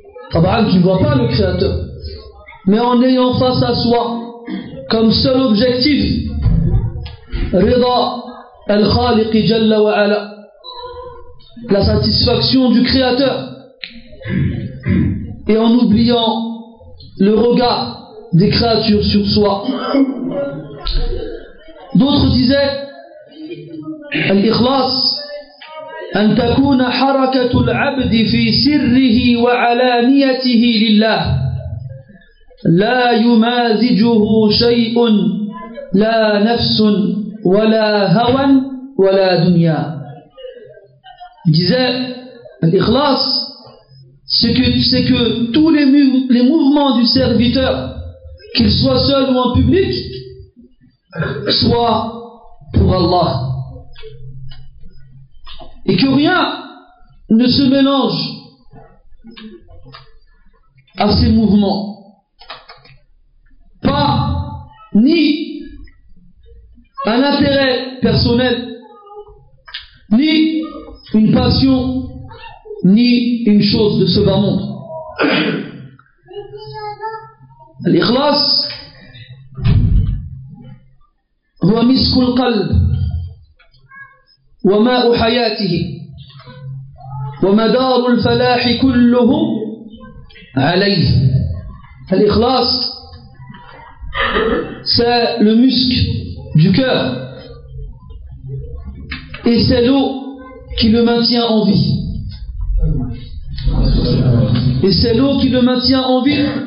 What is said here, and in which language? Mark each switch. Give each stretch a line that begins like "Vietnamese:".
French: Tabaan, tu ne vois pas le créateur. Mais en ayant face à soi comme seul objectif
Arabic: Rida al-khaliq jalla wa ala,
French: la satisfaction du Créateur, et en oubliant le regard des créatures sur soi. D'autres disaient,
Arabic: Al-Ikhlas, أن تكون حركة العبد في سره وعلانيته لله لا يمازجه شيء لا نفس ولا هوى ولا دنيا.
French: Disait l'ikhlas, c'est que tous les mouvements du serviteur, qu'il soit seul ou en public, soient pour Allah. Et que rien ne se mélange à ces mouvements. Pas ni un intérêt personnel, ni une passion, ni une chose de ce bas monde.
Arabic: L'ikhlas, wa miskul qalb. وماء حياته ومدار الفلاح كله عليه.
French: الإخلاص c'est le muscle du cœur et c'est l'eau qui le maintient en vie. Et c'est l'eau qui le maintient en vie.